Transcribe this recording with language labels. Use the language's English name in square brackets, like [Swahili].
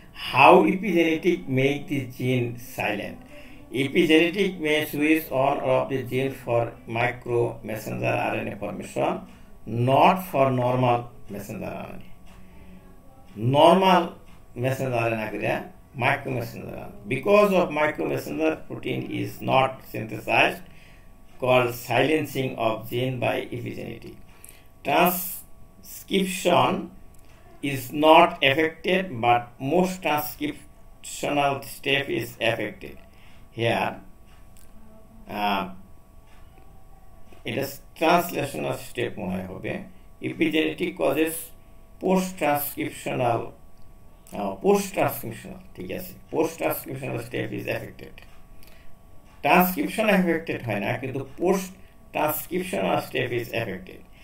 [English] How epigenetic make the gene silent, epigenetic may switch on off the gene for micro messenger R N A formation, not for normal messenger R N A, normal messenger না করে micro messenger, because of micro messenger protein is not synthesize called silencing of gene by epigenetic. Transcription is not affected but most transcriptional step is affected. Here, [Bangla] এটা translational step মনে হয় হবে, [English] epigenetic causes post transcriptional, post transcriptional, ঠিক আছে, post transcriptional step is affected, transcription affected [Bangla] হয় না কিন্তু [English] Post transcriptional step is affected.